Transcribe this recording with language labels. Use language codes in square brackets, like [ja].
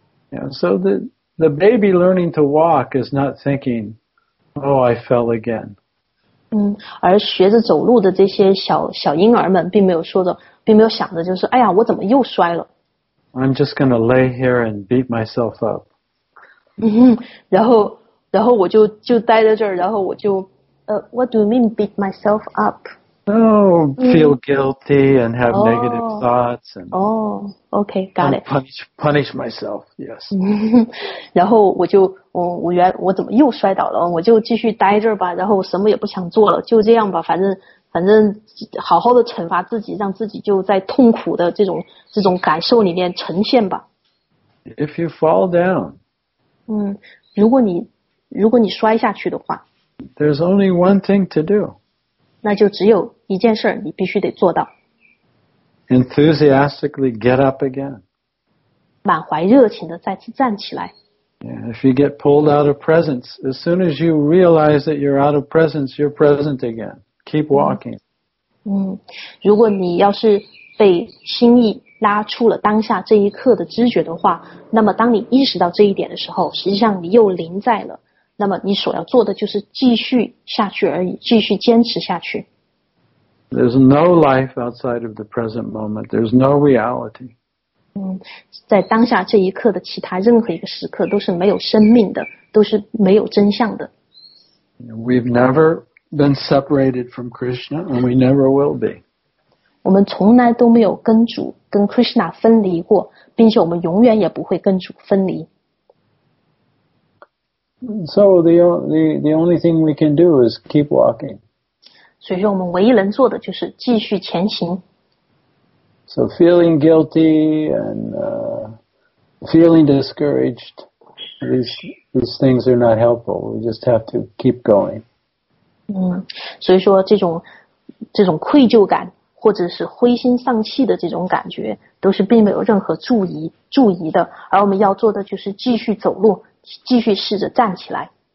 [en] Yeah, so the baby learning to walk is not thinking, oh, I fell again. [zh] 而学着走路的这些小婴儿们并没有想着就是哎呀我怎么又摔了。 [en] I'm just gonna lay here and beat myself up. [zh] 然后我就待在这儿，然后我就 [en] what do you mean beat myself up? Feel guilty and have negative thoughts. Okay, got it. Punish myself, yes. [zh] 然后我怎么又摔倒了？我就继续待这儿吧，然后什么也不想做了，就这样吧，反正好好的惩罚自己，让自己就在痛苦的这种感受里面呈现吧。 [en] If you fall down. [zh] 如果你摔下去的话。 [en] There's only one thing to do. [zh] 那就只有一件事你必须得做到。 [en] Enthusiastically get up again. [zh] 满怀热情的再次站起来。 [en] Yeah, if you get pulled out of presence, as soon as you realize that you're out of presence, you're present again. Keep walking. [zh] 如果你要是被心意拉出了当下这一刻的知觉的话，那么当你意识到这一点的时候，实际上你又临在了。那么你所要做的就是继续下去而已，继续坚持下去。 [en] There's no life outside of the present moment. There's no reality. [zh] 在当下这一刻的其他任何一个时刻都是没有生命的，都是没有真相的。 [en] We've never been separated from Krishna, and we never will be. [zh] 我们从来都没有跟主、跟 Krishna 分离过，并且我们永远也不会跟主分离。 [en] So the only thing we can do is keep walking. [zh] 所以说我们唯一能做的就是继续前行。 [en] So feeling guilty and feeling discouraged, these things are not helpful. We just have to keep going. [zh] 所以说这种愧疚感或者是灰心丧气的这种感觉都是并没有任何助益的，而我们要做的就是继续走路，继续试着站起来。